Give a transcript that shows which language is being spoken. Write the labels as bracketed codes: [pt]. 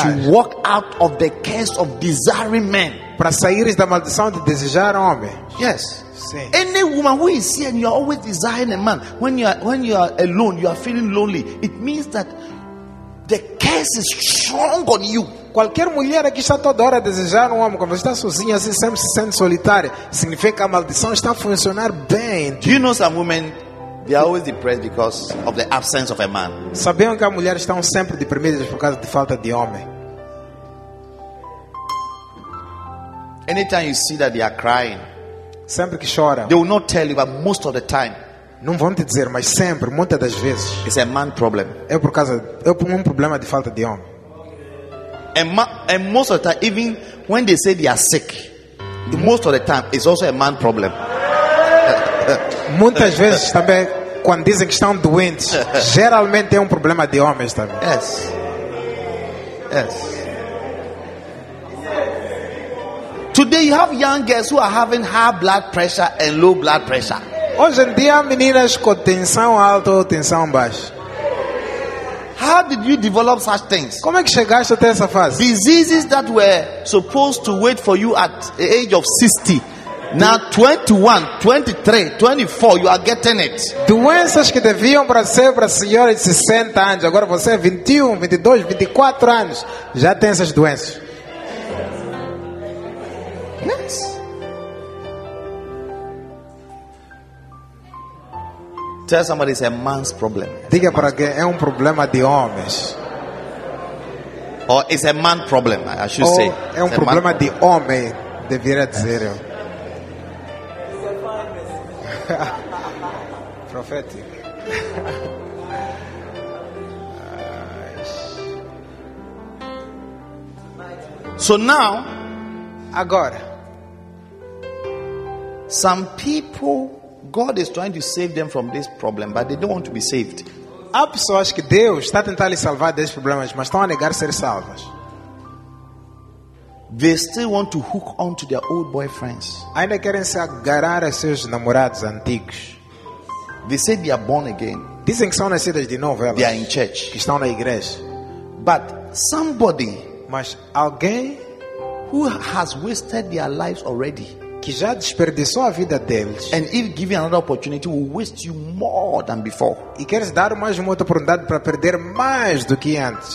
[en] To walk out of the curse of desiring men. [pt] Para saíres da maldição de desejar homem. [en] Yes. [pt] Sim. [en] Any woman who is here and you are always desiring a man, when you are alone, you are feeling lonely, it means that the curse is strong on you. [pt] Qualquer mulher aqui está toda hora a desejar um homem, quando está sozinha assim, sempre se sente solitária, significa que a maldição está a funcionar bem. [en] Do you know some women, they are always depressed because of the absence of a man? [pt] Sabiam que as mulheres estão sempre deprimidas por causa de falta de homem? [en] Anytime you see that they are crying, [pt] sempre que choram, [en] they will not tell you, but most of the time, [pt] não vão te dizer, mas sempre, muitas das vezes, [en] it's a man problem. [pt] É por causa, é um problema de falta de homem. [en] And most of the time, even when they say they are sick, most of the time, it's also a man problem. [pt] Muitas vezes também, quando dizem que estão doentes, geralmente é problema de homens também. [en] Yes. Yes. Today you have young girls who are having high blood pressure and low blood pressure. [pt] Hoje em dia, meninas com tensão alta ou tensão baixa. [en] How did you develop such things? [pt] Como é que chegaste até essa fase? [en] Diseases that were supposed to wait for you at the age of 60. Now 21, 23, 24, you are getting it. [pt] Doenças que deviam para ser para a senhora de 60 anos. Agora você é 21, 22, 24 anos. Já tem essas doenças. [en] Yes. Tell somebody it's a man's problem. [pt] Diga para alguém, é problema de homens. [en] Or it's a man problem, I should say. [pt] É problema de homem, deveria dizer eu. [en] It's a fine message. Prophetic. So now, [pt] agora, [en] some people, God is trying to save them from this problem, but they don't want to be saved. [pt] Há pessoas que Deus está tentando lhes salvar desses problemas, mas estão a negar ser salvas. [en] They still want to hook on to their old boyfriends. [pt] Ainda querem se agarrar a seus namorados antigos. [en] They say they are born again. [pt] Dizem que são nascidas de novo. Elas, [en] they are in church. [pt] Que estão na igreja. [en] But somebody, [pt] mas alguém, [en] who has wasted their lives already, [pt] que já desperdiçou a vida deles, [en] and if given another opportunity will waste you more than before, [pt] e queres dar mais uma outra oportunidade para perder mais do que antes,